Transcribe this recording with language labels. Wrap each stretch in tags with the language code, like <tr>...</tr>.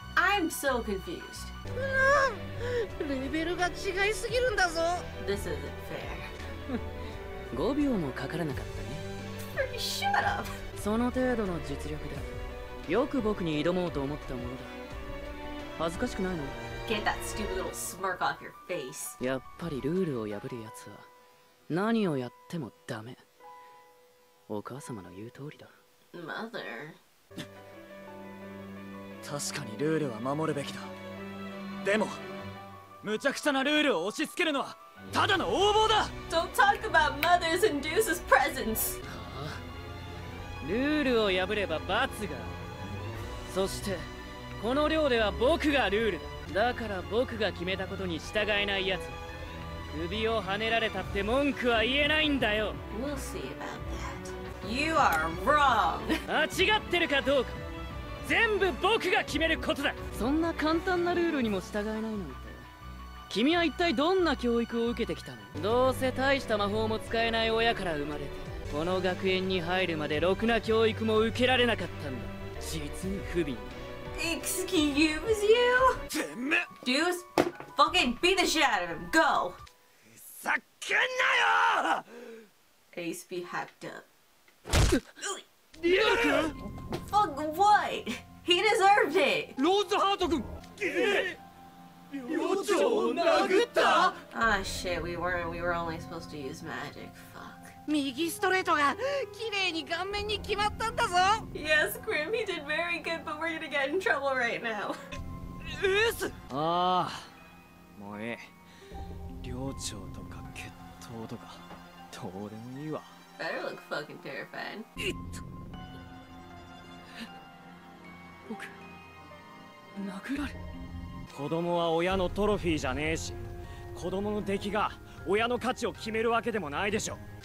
<en>I'm so confused。</en> <ja>レベルが違いすぎるんだぞ。</ja> <en>This isn't fair。</en> <ja>5秒もかからなかったね。</ja> <en>Shut up。</en> <ja>その程度の実力だ。よく僕に挑もうと思ったものだ。恥ずかしくないの？</ja> <en>Get that stupid little smirk off your face.</en> <ja>やっぱりルールを破るやつは何をやってもダメ。お母様の言う通りだ。</ja> <en>Mother.</en> <ja>確かにルールは守るべきだ。でも、無茶苦茶なルールを押し付けるのはただの横暴だ。</ja> <en>Don't talk about mothers and Deuce's presence.</en> <ja>ルールを破れば罰が。そして、この寮では僕がルールだ。だから僕が決めたことに従えないやつ、首をはねられたって文句は言えないんだよ。</ja> <en>We'll see about that. You are wrong.</en> <ja>間違ってるかどうか全部僕が決めることだ。そんな簡単なルールにも従えないなんて。君は一体どんな教育を受けてきたの？どうせ大した魔法も使えない親から生まれて、この学園に入るまでろくな教育も受けられなかったんだ。実に不憫。</ja> <en>Excuse you? Deuce, fucking beat the shit out of him. Go. ふ</en> <ja>ざけんなよ。</ja> <en>Ace be hacked up. Deuce? Fuck what? He deserved it. Rose Hart-kun. Ah shit, we were only supposed to use magic. Fuck.</en> <ja>右ストレートが綺麗に顔面に決まったんだぞ。</ja> <en>Yes, Grim, he did very good, but we're gonna get in trouble right now. Ace!</en> <ja>ああ、もういい。寮長とか決闘とか、どうでもいいわ。</ja> <en>Better look fucking terrified. It!</en> <ja>僕、殴られ。子供は親のトロフィーじゃねえし、子供の出来が親の価値を決めるわけでもないでしょ。</ja>